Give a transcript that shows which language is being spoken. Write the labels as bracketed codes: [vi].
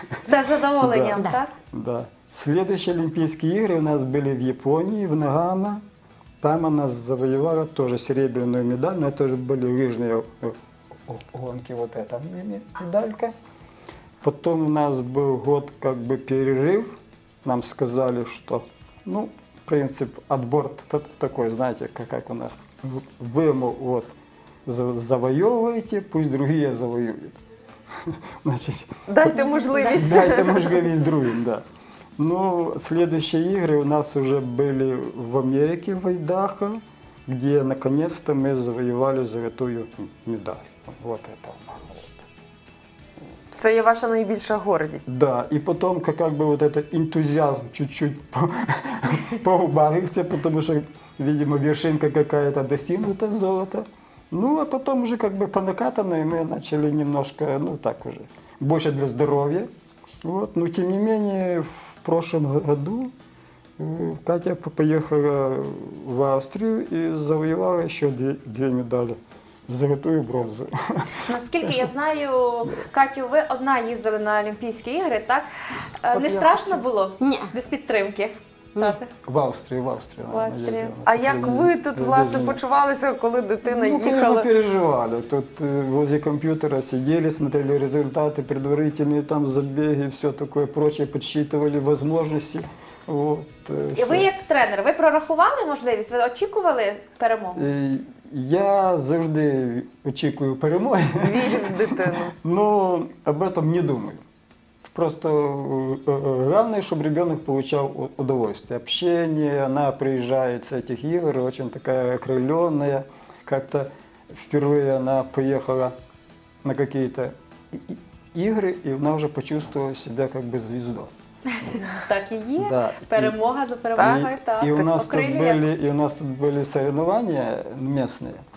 [uk] Це задоволення, [ru] да, [uk] так? [ru] Да. [uk] Следующі Олімпійські ігри у нас були в Японії, в Нагано. Там вона завоювала теж срібну медаль, але це були лижні гонки, [ru] вот эта медалька. [uk] Потім у нас був [ru] год как бы перерыв. Нам сказали, что, ну, принцип отбор такой, знаете, как у нас, вы ему вот завоевываете, пусть другие завоюют. Значит, дайте возможность. Дайте возможность другим, да. Ну, следующие игры у нас уже были в Америке, в Айдахо, где наконец-то мы завоевали золотую медаль. Вот это. [uk] Це є ваша найбільша гордість. [ru] Так, да, [uk] і потім [ru] как бы, вот этот энтузиазм чуть-чуть поубавився, [uk] тому що, [ru] видимо, вершинка какая-то достигнута золота. [uk] Ну, а потім вже [ru] как бы по накатанной [uk] ми почали немножко, ну так уже, більше для здоров'я. Вот. Ну, тим не менее, [ru] в прошлом году [uk] Катя поїхала в Австрію і завоювала ще дві медалі. [ru] Золотую бронзу. [uk] Наскільки я знаю, Катю, ви одна їздили на Олімпійські ігри, так? От не страшно було? Ні. Без підтримки? Ні. В Австрії. А як ви тут, власне, почувалися, коли дитина їхала? Ну, ми переживали. Тут возле комп'ютера сиділи, [ru] смотрели результати, предварительні [uk] там забіги, все таке проче, підсчитували можливості. [ru] Вот, [uk] і ви як тренер, ви прорахували можливість? Ви очікували перемогу? Я завжди очікую перемоги. Вірю в дитину. [ru] Ну, об этом не думаю. Просто главное, щоб ребенок получав удовольствие. [uk] Общение, вона приїжджає з цих ігор, дуже така окрилена. [ru] Как-то вперше вона поїхала на какие-то ігри, і вона вже почувствовала себе как бы звездой. [uk] Так і є. Да. Перемога за перемогою, так. І у нас тут були, [ru] соревнования местные.